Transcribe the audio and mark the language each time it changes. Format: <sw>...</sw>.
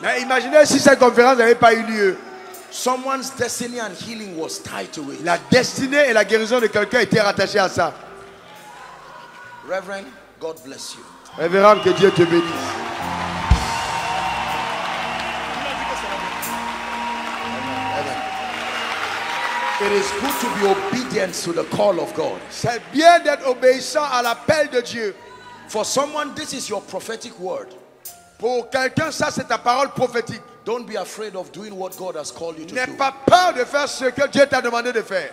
<fr>Mais imaginez si cette conférence n'avait pas eu lieu.</fr> <en>Someone's destiny and healing was tied to it.</en> <fr>La destinée et la guérison de quelqu'un étaient rattachées à ça.</fr> <en>Reverend, God bless you.</en> <fr>Révérend, que Dieu te bénisse.</fr> <en>It is good to be obedient to the call of God.</en> <fr>C'est bien d'être obéissant à l'appel de Dieu.</fr> <en>For someone, this is your prophetic word.</en> <fr>Pour quelqu'un, ça c'est ta parole prophétique.</fr> <en>Don't be afraid of doing what God has called you to do.</en> <fr>N'aie pas peur de faire ce que Dieu t'a demandé de faire.</fr>